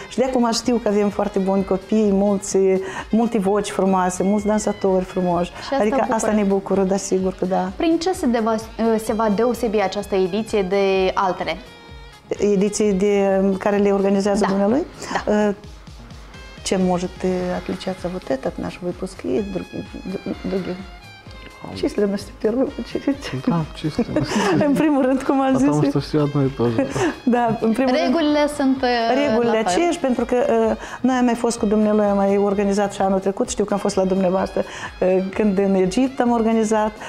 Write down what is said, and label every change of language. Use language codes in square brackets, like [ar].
[ro] Și de acum știu că avem foarte buni copii, multe voci frumoase, mulți dansatori frumoși. Asta adică bucură. Asta ne bucură, dar sigur că da. Prin ce se va deosebi această ediție de altele? ediții de, care le organizează da. Dumnealui. Da. [ru] Ce можете отличаться вот этот наш выпуск и других? Численность в первую очередь. Да, численность. В первую очередь, как я сказал. Потому что все одно и то же. Да, в первую очередь. [ro] Регули aceeași, pentru că noi am mai fost cu dumneavoastră, am mai organizat și anul trecut, știu că am fost la dumneavoastră când în Egipt am organizat.